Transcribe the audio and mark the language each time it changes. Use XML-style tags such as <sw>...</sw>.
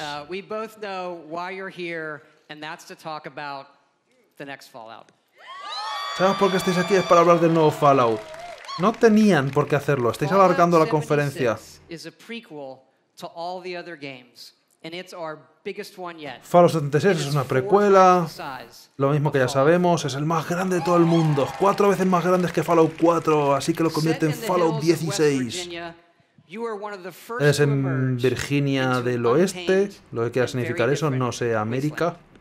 <en>Really, we both know why you're here, and that's to talk about the next Fallout.</en> <es>¿Sabes por qué estáis aquí? Es para hablar del nuevo Fallout. No tenían por qué hacerlo, estáis alargando la conferencia.</es> <en>Is a prequel to all the other games. And it's our biggest one yet.</en> <es>Fallout 76 es una precuela, lo mismo que ya sabemos, es el más grande de todo el mundo, 4 veces más grande que Fallout 4, así que lo convierte en Fallout 16. Es en Virginia del Oeste, lo que quiera significar eso, no sé, América.</es>